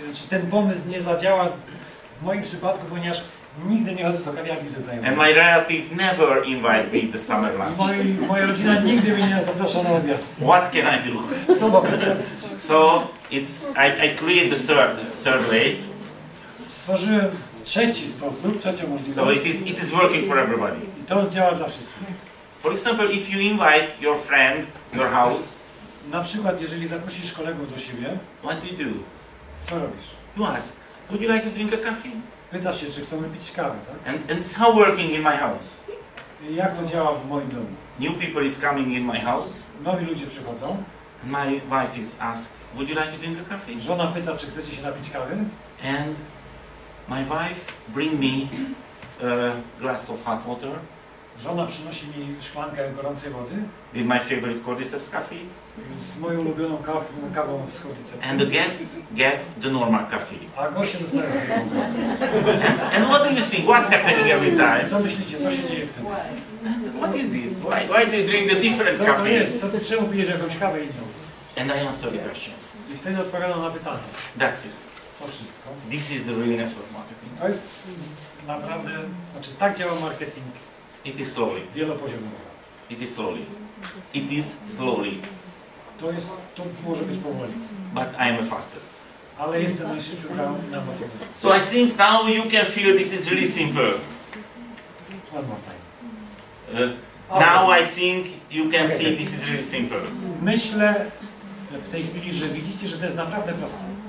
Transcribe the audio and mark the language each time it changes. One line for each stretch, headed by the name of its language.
Polish: Ten pomysł nie zadziała w moim przypadku, ponieważ nigdy nie chodzę do kawiarni ze znajomymi.
English: And my relatives never invite me to the summer lunch.
Polish: Moja rodzina nigdy mnie nie zaprasza na obiad.
English: What can I do?
Polish: Co mogę zrobić?
English: So it's I create the third way.
Polish: Stworzyłem trzeci sposób, trzecią możliwość.
English: So it is working for everybody.
Polish: I to działa dla wszystkich.
English: For example, if you invite your friend to your house.
Polish: Na przykład, jeżeli zaprosisz kolegów do siebie,
English: what do you do?
Polish: Co robisz?
English: You ask, would you like to drink a coffee?
Polish: Pytasz się, czy chcemy pić kawę, tak?
English: And it's how working in my house.
Polish: I jak to działa w moim domu?
English: New people is coming in my house.
Polish: Nowi ludzie przychodzą.
English: My wife is asked, would you like to drink a coffee?
Polish: Żona pyta, czy chcecie się napić kawy?
English: And my wife bring me a glass of hot water.
Polish: Żona przynosi mi szklankę gorącej wody.
English: With my favorite cordyceps coffee.
Polish: Z moją ulubioną kawą z cordyceps.
English: And the guests get the normal coffee.
Polish: A goście dostają zwykłą.
English: And what do you think? What happening every time?
Polish: Co myślicie? Co się dzieje wtedy?
English: What is this? Why do you drink the different
Polish: co
English: coffee?
Polish: Co to jest? Co ty czemu pijesz jakąś kawę inną?
English: And I answer the question.
Polish: I wtedy odpowiadam na pytanie.
English: That's it.
Polish: To wszystko.
English: This is the real network marketing.
Polish: To jest naprawdę... Znaczy tak działa marketing.
English: It is slowly.
Polish: Wielopoziomowo.
English: It is slowly. It is slowly.
Polish: To może być powoli.
English: But I am the fastest.
Polish: Ale jestem najszybszy na maszynie.
English: So I think now you can feel this is really simple. One more time. Now I think you can see this is really simple.
Polish: Myślę w tej chwili, że widzicie, że to jest naprawdę proste.